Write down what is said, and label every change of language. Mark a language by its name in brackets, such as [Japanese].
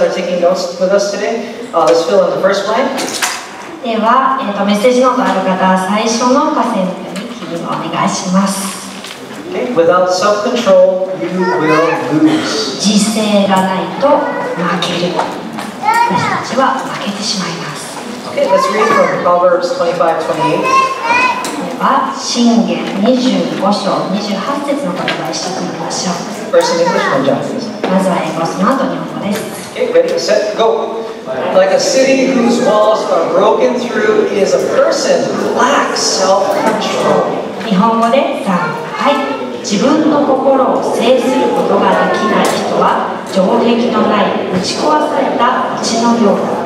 [English] All right, so for those that are taking notes with us today, let's fill in the first blank. [Japanese] では、メッセージのある方、最初の河川に記入をお願いします。 [English] Okay, without self-control, you will lose. [Japanese] 自制がないと負ける。私たちは負けてしまいます。 [English] Okay, let's read from Proverbs 25:28. [Japanese] では、箴言25章28節の言葉を一緒に読みましょう。 [English] First in English, then Japanese. [Japanese] まずは英語、その後日本語です。 [English] Okay, ready, set, go! Like a city whose walls are broken through is a person who lacks self-control. [Japanese] 日本語で、はい。自分の心を制することができない人は、城壁のない打ち壊された街のようだ。